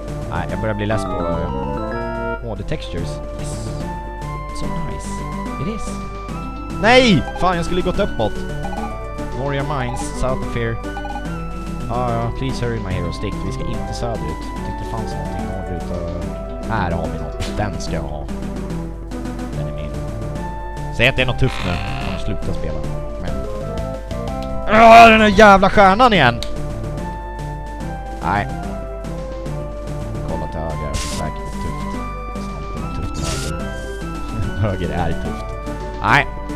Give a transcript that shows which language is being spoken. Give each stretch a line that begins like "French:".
Swedish: Nej, jag börjar bli less på det.
English: The textures. Yes. So nice. It is. Nej!
Swedish: Fan, jag skulle gått uppåt.
English: Warrior Mines, south of here. Please hurry my hero stick.
Swedish: Vi ska inte söderut. Jag tyckte det fanns någonting norrut. Här har vi något. Den ska jag ha. Den är min. Säg att det är något tufft nu. Jag kommer sluta spela. Men... den här jävla stjärnan igen! Nej. Kolla till höger. Säkert är tufft. Tufft höger. Höger är tufft. Nej.